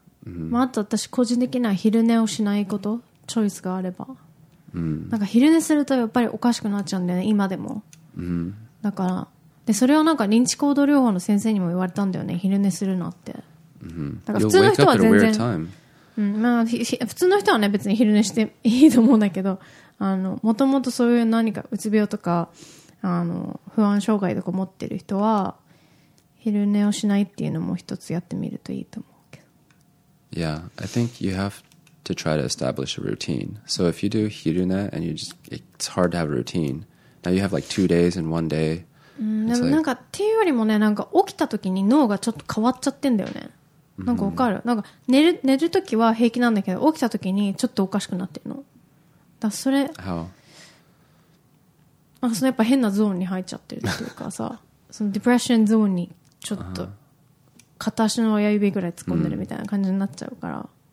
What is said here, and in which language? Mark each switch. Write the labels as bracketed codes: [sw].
[ja] まああと私個人的には昼寝をしないこと。チョイスがあれば、なんか昼寝するとやっぱりおかしくなっちゃうんだよね今でも、だからでそれはなんか認知行動療法の先生にも言われたんだよね昼寝するなって、だから普通の人は全然、まあ普通の人はね別に昼寝していいと思うんだけど、あのもともとそういう何かうつ病とかあの不安障害とか持ってる人は昼寝をしないっていうのも一つやってみるといいと思うけど、 [en] Yeah, I think you haveto try to establish a routine. So if you do hirune and you just, it's hard to have a routine. Now you have like 2 days in one day. [ja] でもなんかっていうよりもね、なんか起きた時に脳がちょっと変わっちゃってんだよね。なんかわかる。なんか寝る時は平気なんだけど、起きた時にちょっとおかしくなってるの。だからそれ、 [en] How? [ja] なんかそのやっぱ変なゾーンに入っちゃってるっていうかさ、そのディプレッションゾーンにちょっと片足の親指ぐらい突っ込んでるみたいな感じになっちゃうから。